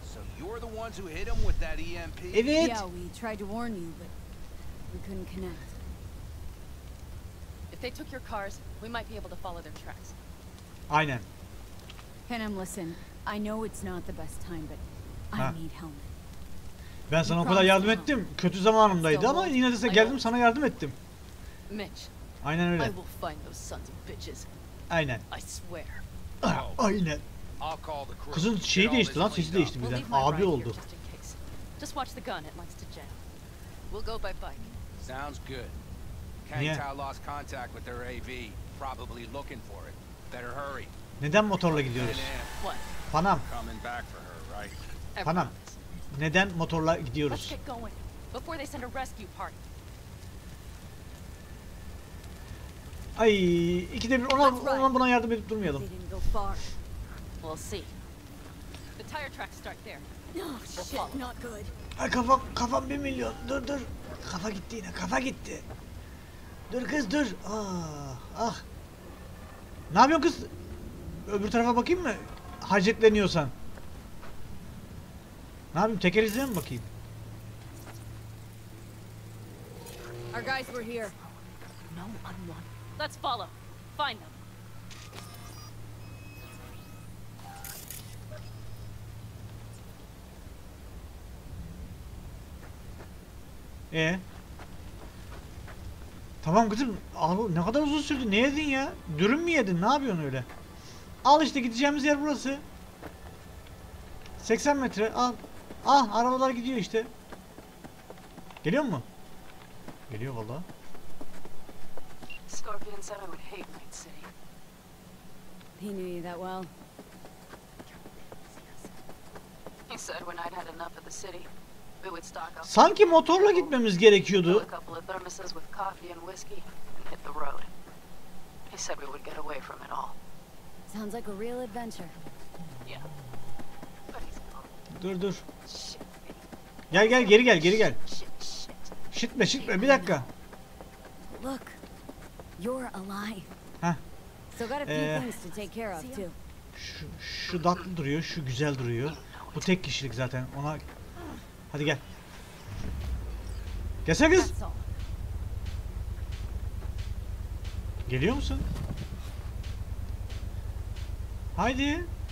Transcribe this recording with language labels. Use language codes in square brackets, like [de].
[en] So you're the ones who hit him with that EMP? [tr] Evet. [en] Yeah, we tried to warn you, but we couldn't connect. If they took your cars, we might be able to follow their tracks. [tr] Aynen. [en] Kenem, listen. I know it's not the best time, but I need help. [tr] Ben sana o kadar yardım ettim. Kötü zamanımdaydı ama yine de geldim sana yardım ettim. [en] Mitch. [tr] Aynen öyle. [en] I will find those sons of bitches. [tr] Aynen. [en] I swear. [tr] Aynen. Kızın şeyi değişti lan, sesi değişti birden. Abi oldu. [en] Just watch the gun, it likes to jam. We'll go by bike. Sounds good. Kentai lost contact with their AV. Probably looking for it. Better hurry. [tr] Neden motorla gidiyoruz? [en] What? Panam. Coming back for her, right? Panam. [tr] Neden motorla gidiyoruz? [en] Let's get going before they send a rescue party. [tr] Ay, ikide bir ona buna yardım edip durmayalım. [en] We'll see. The tire tracks start there. No shit, not good. [tr] Ay kafam 1 milyon. Dur dur. Kafa gitti yine. Kafa gitti. Dur kız dur. Ah. Ah. Ne yapıyorsun kız? Öbür tarafa bakayım mı? Hacetleniyorsan. Ne yapayım? Teker izleme mi bakayım? [en] Our guys were here. No, I'm not. Let's follow. Find them. [tr] Tamam kızım, al, ne kadar uzun sürdü? Ne yedin ya? Dürüm mü yedin? Ne yapıyorsun öyle? Al işte gideceğimiz yer burası. 80 metre al. Ah, arabalar gidiyor işte. Geliyor mu? Geliyor vallahi. [en] Scorpion said I would hate Night City. He knew you that well. He said when I'd had enough of the city, we would stock up. [tr] Sanki motorla gitmemiz gerekiyordu. [en] A couple of thermoses with coffee and whiskey and hit the road. He said we would get away from it all. Sounds like a real adventure. Yeah. [tr] Dur dur. Gel gel geri gel geri gel. Şitme şitme bir dakika. [en] Look. You're alive. Ha. So got a few things to take care of too. [tr] Şu tatlı duruyor, şu güzel duruyor. Bu tek kişilik zaten. Ona hadi gel. Gelsene kız. Geliyor musun? Haydi.